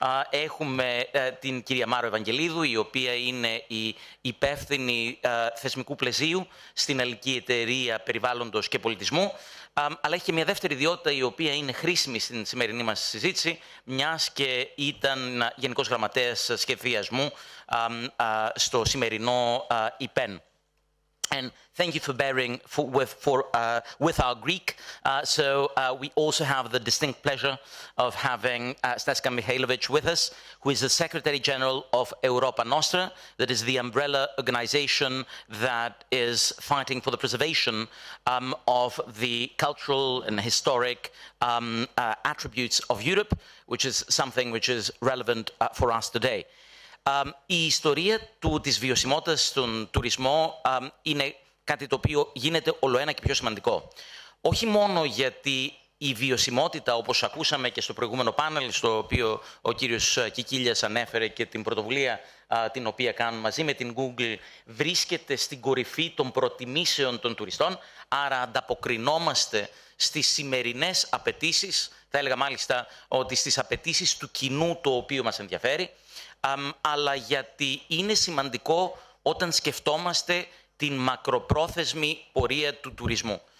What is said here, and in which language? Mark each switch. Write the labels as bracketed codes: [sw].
[el] Έχουμε την κυρία Μάρο Ευαγγελίδου, η οποία είναι η υπεύθυνη θεσμικού πλαισίου στην Ελληνική Εταιρεία Περιβάλλοντος και Πολιτισμού. Αλλά έχει και μια δεύτερη ιδιότητα η οποία είναι χρήσιμη στην σημερινή μας συζήτηση, μιας και ήταν Γενικός Γραμματέας Σχεδιασμού στο σημερινό ΙΠΕΝ. [en] And thank you for bearing with our Greek. So we also have the distinct pleasure of having Sneška Mihailović with us, who is the Secretary General of Europa Nostra, that is the umbrella organization that is fighting for the preservation of the cultural and historic attributes of Europe, which is something which is relevant for us today. [el] Η ιστορία της βιωσιμότητας στον τουρισμό είναι κάτι το οποίο γίνεται ολοένα και πιο σημαντικό. Όχι μόνο γιατί η βιωσιμότητα, όπως ακούσαμε και στο προηγούμενο πάνελ, στο οποίο ο κύριος Κικίλιας ανέφερε και την πρωτοβουλία την οποία κάνουν μαζί με την Google, βρίσκεται στην κορυφή των προτιμήσεων των τουριστών, άρα ανταποκρινόμαστε στις σημερινές απαιτήσεις, θα έλεγα μάλιστα ότι στις απαιτήσεις του κοινού το οποίο μας ενδιαφέρει, αλλά γιατί είναι σημαντικό όταν σκεφτόμαστε την μακροπρόθεσμη πορεία του τουρισμού.